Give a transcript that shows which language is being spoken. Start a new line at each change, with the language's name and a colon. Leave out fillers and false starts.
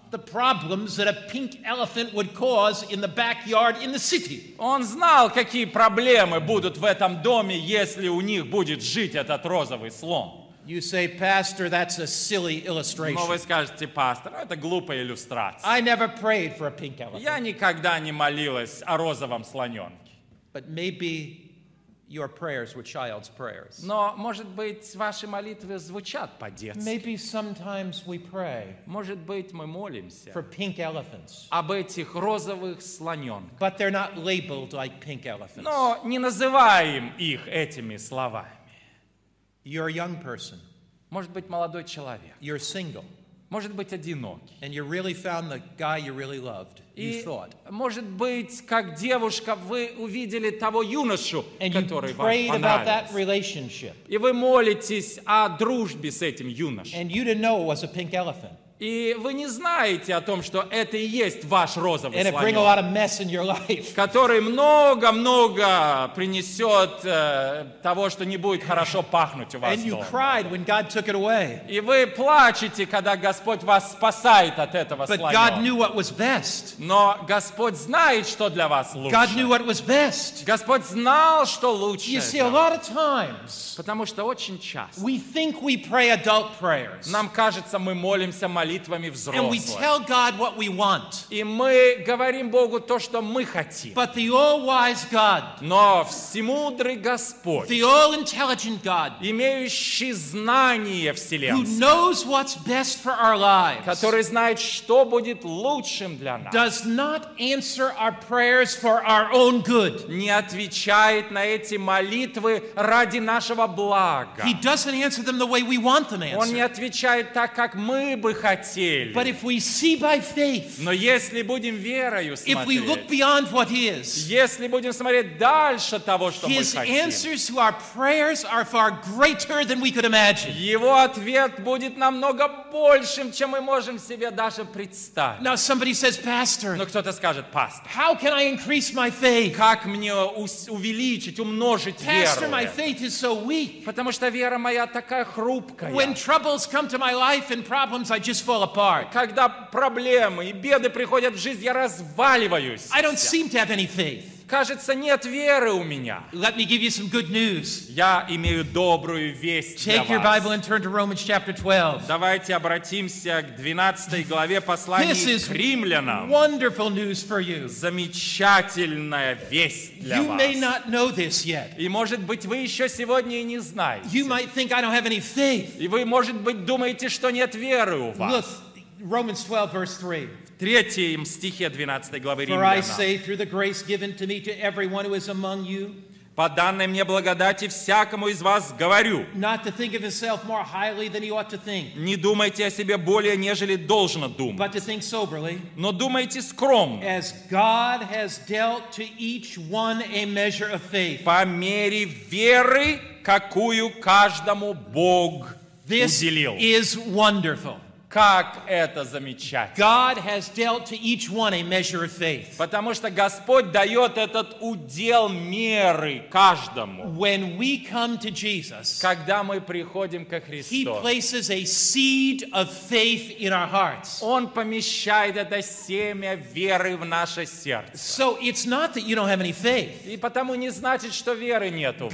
English: The problems that a pink elephant would cause in the backyard in the city.
Russian: Он знал, какие проблемы будут в этом доме, если у них будет жить этот розовый слон.
English: You say, Pastor, that's a silly illustration.
Russian: Но вы скажете, пастор, это глупая иллюстрация.
English: I never prayed for a pink elephant.
Russian: Я никогда не молилась о розовом слоненке.
English: But maybe your prayers were child's prayers.
Russian: Но, может быть, ваши молитвы звучат по-детски.
English: Maybe sometimes we pray.
Russian: Может быть, мы молимся.
English: For pink elephants.
Russian: Об этих розовых слоненках.
English: But they're not labeled like pink elephants.
Russian: Но не называем их этими словами.
English: You're a young person.
Russian: Может быть, молодой человек.
English: You're single.
Russian: Может быть, одинокий.
English: And you really found the guy you really loved.
Russian: И,
English: you thought.
Russian: Может быть, как девушка, вы увидели того юношу,
English: and
Russian: который
English: you prayed
Russian: вам понравился.
English: About that relationship.
Russian: И вы молитесь о дружбе с этим юношей.
English: And you didn't know it was a pink elephant.
Russian: И вы не знаете о том, что это и есть ваш розовый
English: and
Russian: слоненок,
English: bring a lot of mess in your life.
Russian: Который много-много принесет того, что не будет хорошо пахнуть у вас
English: and you cried when God took it away.
Russian: И вы плачете, когда Господь вас спасает от этого
English: But
Russian: слоненка.
English: God knew what was best.
Russian: Но Господь знает, что для вас лучше.
English: God knew what was best.
Russian: Господь знал, что лучше.
English: You see, a lot of times,
Russian: потому что очень часто
English: we think we pray adult prayers.
Russian: Нам кажется, мы молимся молитвами взрослых.
English: And we tell God what we want.
Russian: И мы говорим Богу то, что мы хотим.
English: But the all-wise God,
Russian: но всемудрый Господь,
English: the all-intelligent God,
Russian: имеющий знание вселенское,
English: who knows what's best for our lives,
Russian: который знает, что будет лучшим для нас,
English: does not answer our prayers for our own good.
Russian: Не отвечает на эти молитвы ради нашего блага.
English: He doesn't answer them the way we want them answered.
Russian: Он не отвечает так, как мы бы хотели.
English: But if we see by faith,
Russian: но если будем верою смотреть,
English: if we look beyond what is,
Russian: если будем смотреть дальше того, что
English: his
Russian: мы хотим,
English: answers to our prayers are far greater than we could imagine.
Russian: Его ответ будет намного большим, чем мы можем себе даже представить.
English: Now somebody says, Pastor,
Russian: но кто-то скажет, пастор,
English: how can I increase my faith?
Russian: Как мне увеличить, умножить
English: Pastor,
Russian: веру?
English: Pastor, my faith is so weak.
Russian: Потому что вера моя такая хрупкая.
English: When troubles come to my life and problems I just fall apart.
Russian: Когда проблемы и беды приходят в жизнь, я разваливаюсь.
English: I don't seem to have any faith.
Russian: Кажется, нет веры у меня.
English: Let me give you some good news.
Russian: Я имею добрую весть
English: Take
Russian: для
English: your
Russian: вас.
English: Bible and turn to Romans chapter 12.
Russian: Давайте обратимся к 12 главе послания к римлянам.
English: This is wonderful news for you.
Russian: Замечательная весть для
English: you
Russian: вас.
English: You may not know this yet.
Russian: И, может быть, вы еще сегодня и не знаете.
English: You might think I don't have any faith.
Russian: И вы, может быть, думаете, что нет веры у вас.
English: Look, Romans 12, verse 3.
Russian: В третьем стихе 12 главы
English: For
Russian: Римлянам.
English: For I say, through the grace given to me to everyone who is among you,
Russian: по данной мне благодати всякому из вас говорю,
English: not to think of himself more highly than he ought to think,
Russian: не думайте о себе более, нежели должно думать,
English: but to think soberly,
Russian: но думайте скромно,
English: as God has dealt to each one a measure of faith,
Russian: по мере веры, какую каждому Бог уделил.
English: This is wonderful.
Russian: Как это замечательно.
English: God has dealt to each one a measure of faith.
Russian: Потому что Господь дает этот удел меры каждому.
English: When we come to Jesus,
Russian: когда мы приходим ко Христу,
English: He places a seed of faith in our hearts.
Russian: Он помещает это семя веры в наше сердце.
English: So it's not that you don't have any faith.
Russian: И потому не значит, что веры нет у вас.